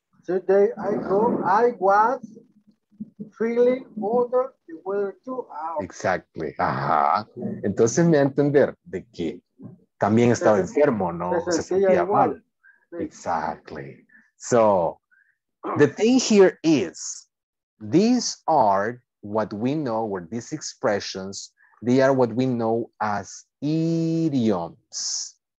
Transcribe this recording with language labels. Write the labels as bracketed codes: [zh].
[en] Today I was feeling under the weather too. Ah, okay. Exactly. Ajá. [es] Entonces me entender de que también estaba enfermo, ¿no? Se sentía mal. [en] Exactly. So the thing here is, these are what we know, or these expressions, they are what we know as idioms.